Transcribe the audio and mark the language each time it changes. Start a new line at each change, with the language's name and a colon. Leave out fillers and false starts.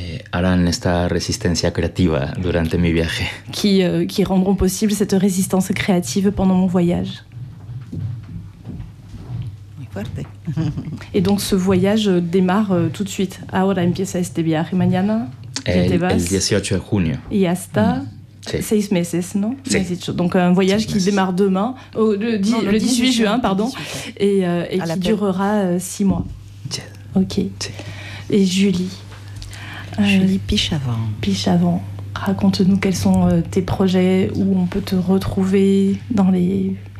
Spanish: harán esta resistencia creativa durante mi viaje,
French: qui rendront possible cette résistance créative pendant mon voyage. Et donc ce voyage démarre tout de suite.
Spanish: Ahora empieza este viaje mañana. Te vas. El 18 de junio. Y hasta seis meses, ¿no? Sí.
French: Donc un voyage qui démarre demain, le 18 juin, pardon, et qui durera six mois. Yeah. Ok. Sí. Et Julie. Julie Pichavant. Pichavant, raconte-nous quels sont tes projets, où on peut te retrouver dans les...